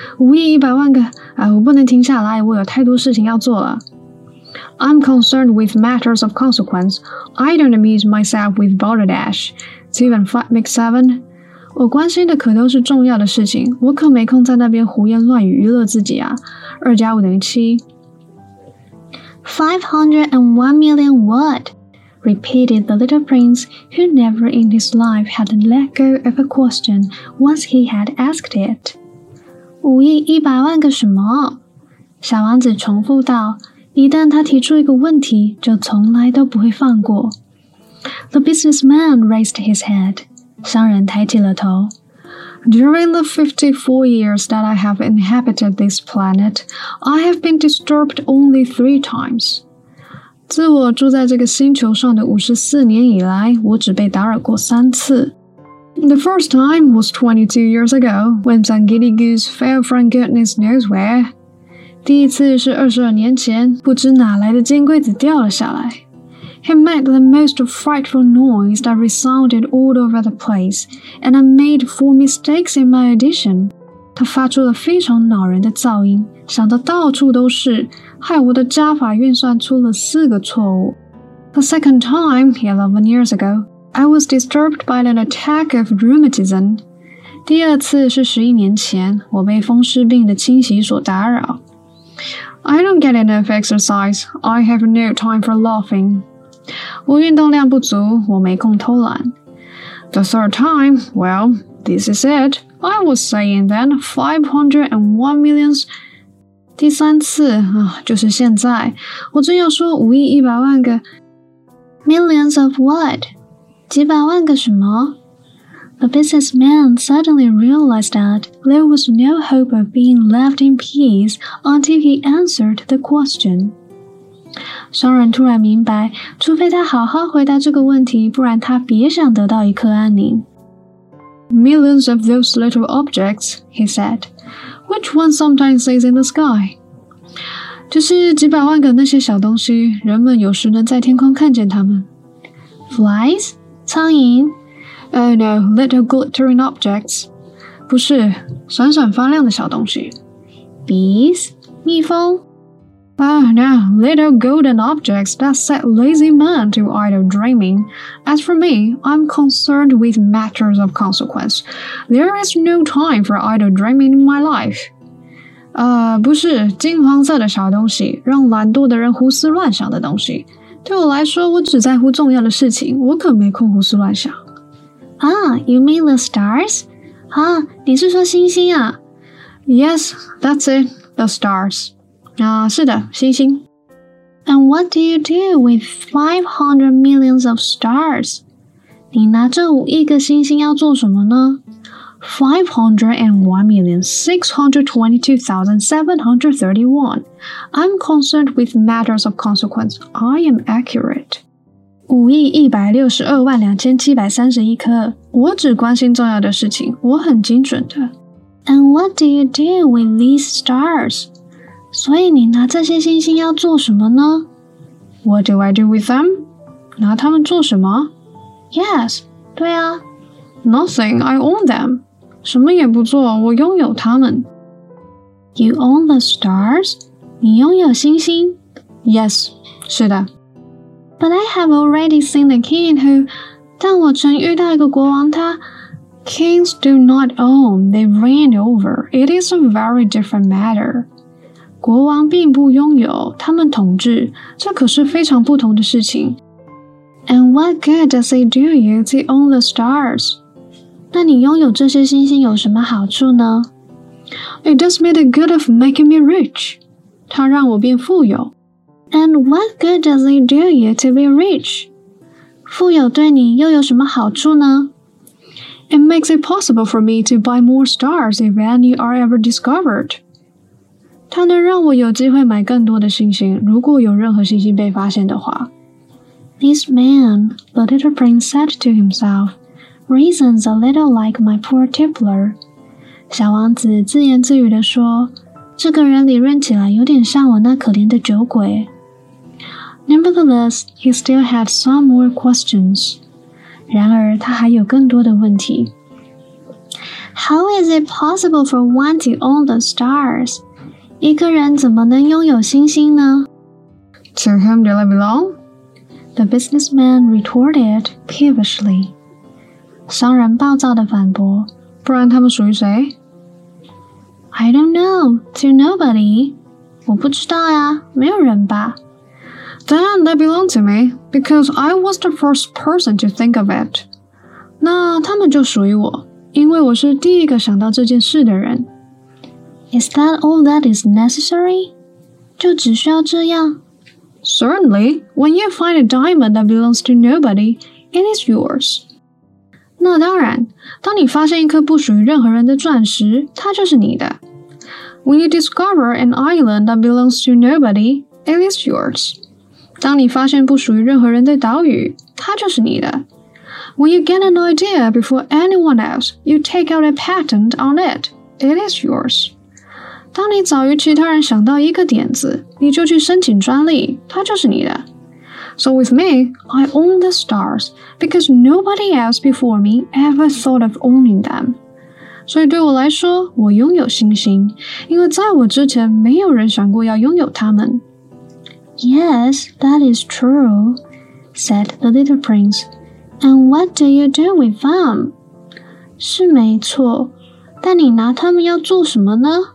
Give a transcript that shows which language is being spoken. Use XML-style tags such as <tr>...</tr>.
<zh>五亿一百万个，我不能停下来，我有太多事情要做了。</zh> <en>I'm concerned with matters of consequence. I don't amuse myself with balderdash. 7 and 5 make 7.</en> <zh>我关心的可都是重要的事情，我可没空在那边胡言乱语娱乐自己啊。 2加5等于7。</zh> <en>501 million what? Repeated the little prince, who never in his life had let go of a question once he had asked it.</en> <zh>五亿一百万个什么？小王子重复道，一旦他提出一个问题，就从来都不会放过。</zh> <en>The businessman raised his head.</en> <zh>商人抬起了头。</zh> <en>During the 54 years that I have inhabited this planet, I have been disturbed only 3 times.</en> <zh>自我住在这个星球上的54年以来，我只被打扰过三次。</zh> <en>The first time was 22 years ago, when some giddy goose fell from goodness knows where.</en> <zh>第一次是22年前，不知哪来的金龟子掉了下来。</zh> <en>He made the most frightful noise that resounded all over the place, and I made 4 mistakes in my audition.</en> <zh>他发出了非常恼人的噪音，响得到处都是，害我的加法运算出了四个错误。</zh> <en>The second time, 11 years ago, I was disturbed by an attack of rheumatism.</en> <zh>第二次是11年前，我被风湿病的侵袭所打扰。</zh> <en>I don't get enough exercise. I have no time for laughing.</en> <zh>我运动量不足，我没空偷懒。</zh> <en>The third time, well, this is it. I was saying then 501 million.</en> <zh>第三次啊，就是现在，我正要说五亿一百万个。</zh> <en>Millions of what?</en> <zh>几百万个什么？</zh> <en>The businessman suddenly realized that there was no hope of being left in peace until he answered the question.</en> <zh>商人突然明白，除非他好好回答这个问题，不然他别想得到一颗安宁。</zh> <en>Millions of those little objects, he said. Which one sometimes sees in the sky?</en> <zh>就是几百万个那些小东西，人们有时能在天空看见它们。</zh> <en>Flies?</en> <zh>苍蝇？</zh> <en>Oh no, little glittering objects.</en> <zh>不是，闪闪发亮的小东西。</zh> <en>Bees?</en> <zh>蜜蜂？</zh> <en>Oh no, little golden objects that set lazy men to idle dreaming. As for me, I'm concerned with matters of consequence. There is no time for idle dreaming in my life.</en> <zh>不是，金黄色的小东西，让懒惰的人胡思乱想的东西。对我来说，我只在乎重要的事情，我可没空胡思乱想。</zh> <en>Ah, you mean the stars?</en> <zh>你是说星星啊？</zh> <en>Yes, that's it, the stars.</en> <zh>啊、是的，星星。</zh> <en>And what do you do with 500 millions of stars?</en> <zh>你拿这五亿个星星要做什么呢？</zh> <en>501,622,731. I'm concerned with matters of consequence. I am accurate.</en> <zh>5,162,731颗。我只关心重要的事情，我很精准的。</zh> <en>And what do you do with these stars?</en> <zh>所以你拿这些星星要做什么呢？</zh> <en>What do I do with them?</en> <zh>拿它们做什么？</zh> <en>Yes,</en> <zh>对啊。</zh> <en>Nothing, I own them.</en> <zh>什么也不做，我拥有它们。</zh> <en>You own the stars?</en> <zh>你拥有星星？</zh> <en>Yes,</en> <zh>是的。</zh> <en>But I have already seen a king who...</en> <zh>但我曾遇到一个国王他。</zh> <en>Kings do not own, they reign over. It is a very different matter.</en> <zh>国王并不拥有，他们统治，这可是非常不同的事情。</zh> <en>And what good does it do you to own the stars?</en> <zh>那你拥有这些星星有什么好处呢？</zh> <en>It does me the good of making me rich.</en> <zh>它让我变富有。</zh> <en>And what good does it do you to be rich?</en> <zh>富有对你又有什么好处呢？</zh> <en>It makes it possible for me to buy more stars if any are ever discovered.</en> <zh>它能让我有机会买更多的星星，如果有任何星星被发现的话。</zh> <en>This man, the little prince said to himself,Reasons a little like my poor tippler.</en> <zh>小王子自言自语地说，这个人理论起来有点像我那可怜的酒鬼。</zh> <en>Nevertheless, he still had some more questions.</en> <zh>然而他还有更多的问题。</zh> <en>How is it possible for one to own the stars?</en> <zh>一个人怎么能拥有星星呢？</zh> <en>To whom do they belong? The businessman retorted peevishly.</en> <zh>商人暴躁地反驳，不然他们属于谁？</zh> <en>I don't know, to nobody.</en> <zh>我不知道呀，没有人吧。</zh> <en>Then they belong to me, because I was the first person to think of it.</en> <zh>那他们就属于我，因为我是第一个想到这件事的人。</zh> <en>Is that all that is necessary?</en> <zh>就只需要这样？</zh> <en>Certainly, when you find a diamond that belongs to nobody, it is yours.</en> <zh>那当然，当你发现一颗不属于任何人的钻石，它就是你的。</zh> <en>When you discover an island that belongs to nobody, it is yours.</en> <zh>当你发现不属于任何人的岛屿，它就是你的。</zh> <en>When you get an idea before anyone else, you take out a patent on it, it is yours.</en> <zh>当你早于其他人想到一个点子，你就去申请专利，它就是你的。</zh> <en>So with me, I own the stars, because nobody else before me ever thought of owning them.</en> <zh>所以对我来说，我拥有星星，因为在我之前没有人想过要拥有它们。</zh> <en>Yes, that is true, said the little prince. And what do you do with them?</en> <zh>是没错，但你拿它们要做什么呢？</zh>